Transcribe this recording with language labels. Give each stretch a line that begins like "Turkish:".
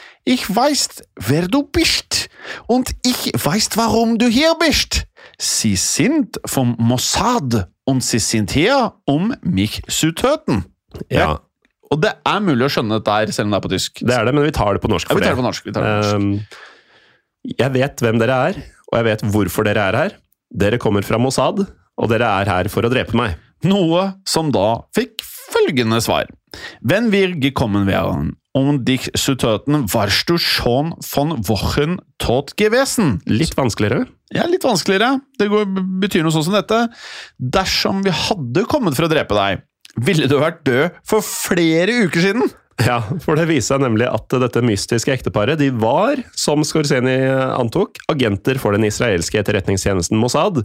German: «Ich weiß, wer du bist, und ich weiß, warum du hier bist. Sie sind vom Mossad, und sie sind hier, um mich zu töten.»
Norwegian: Ja. Ja. Og det er mulig å skjønne dette her, selv om det er på tysk. Det er det, men vi tar det på norsk for det. Ja, vi tar det på norsk, vi tar det på norsk. Jeg vet hvem dere er, og jeg vet hvorfor dere er her. Dere kommer fra Mossad, og dere er her for å drepe meg. Noe som da fikk følgende svar.
German: «Wenn wir gekommen wären, um dich zu töten, warst du schon von Wochen tot gewesen.»
Norwegian: Litt vanskeligere. Ja, litt vanskeligere. Det betyr noe sånn som dette. «Dersom vi hadde kommet for å drepe deg, ville du vært død for flere uker siden.» Ja, for det viser seg nemlig at dette mystiske ekteparet, de var, som Scorsini antok, agenter for den israelske etterretningstjenesten Mossad.